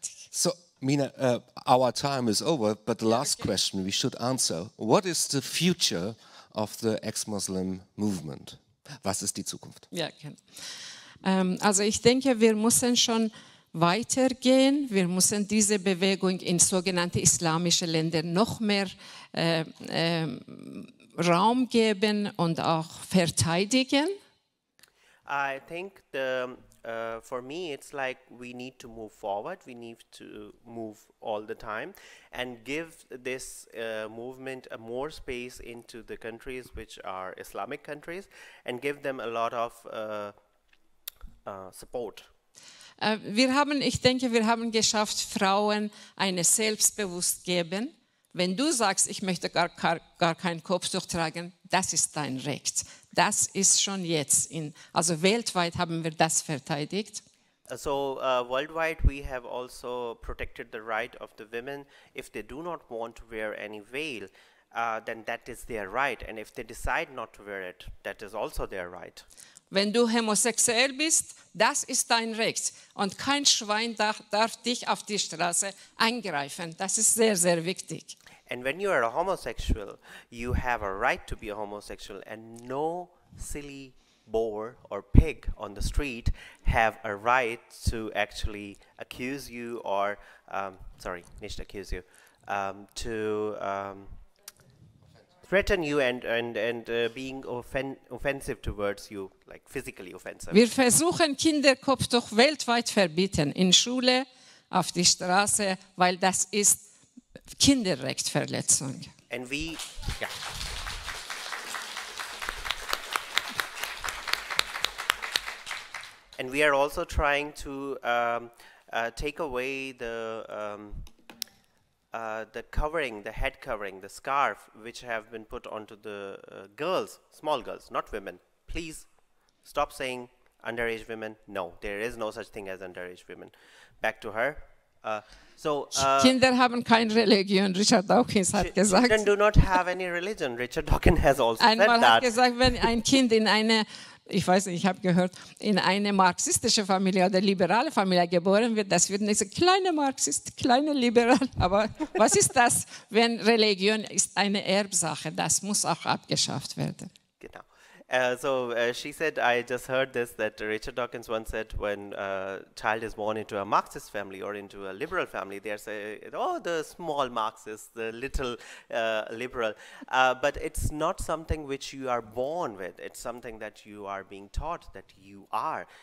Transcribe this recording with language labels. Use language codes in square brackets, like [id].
[en] So, Mina, our time is over, but the last question we should answer, what is the future of the ex-Muslim movement? [de] Was ist die Zukunft? Ja, also ich denke, wir müssen schon weitergehen. Wir müssen diese Bewegung in sogenannte islamische Länder noch mehr Raum geben und auch verteidigen. [en] I think the for me it's like we need to move forward. We need to move all the time and give this movement a more space into the countries which are Islamic countries and give them a lot of support. [de] Wir haben, ich denke, wir haben geschafft, Frauen eine Selbstbewusst geben. Wenn du sagst, ich möchte gar kein Kopftuch tragen, das ist dein Recht. Das ist schon jetzt. Also weltweit haben wir das verteidigt. [en] So worldwide we have also protected the right of the women. If they do not want to wear any veil, then that is their right. And if they decide not to wear it, that is also their right. [de] Wenn du homosexuell bist, das ist dein Recht. Und kein Schwein darf dich auf die Straße angreifen. Das ist sehr, sehr wichtig. [en] And when you are a homosexual, you have a right to be a homosexual. And no silly boar or pig on the street have a right to actually accuse you or, sorry, nicht accuse you, to threaten you and being offensive towards you, like physically offensive. [de] Wir versuchen Kinderkopftuch weltweit verbieten, in Schule, auf die Straße, weil das ist Kinderrechtsverletzung. [en] And we, yeah. And we are also trying to take away the the covering, the head covering, the scarf, which have been put onto the girls, small girls, not women. Please stop saying underage women. No, there is no such thing as underage women. Back to her. [de] Kinder haben keine Religion, Richard Dawkins hat gesagt. [en] Children do not have any religion. Richard Dawkins has also [de] einmal Einmal hat gesagt, wenn ein Kind in eine ich weiß nicht, ich habe gehört, in eine marxistische Familie oder liberale Familie geboren wird, das wird nicht so kleine Marxist, kleine Liberal. Aber was ist das, wenn Religion ist eine Erbsache? Das muss auch abgeschafft werden. Genau. [en] She said, I just heard this, that Richard Dawkins once said, when a child is born into a Marxist family or into a liberal family, they say, oh, the small Marxist, the little liberal. But it's not something which you are born with. It's something that you are being taught that you are.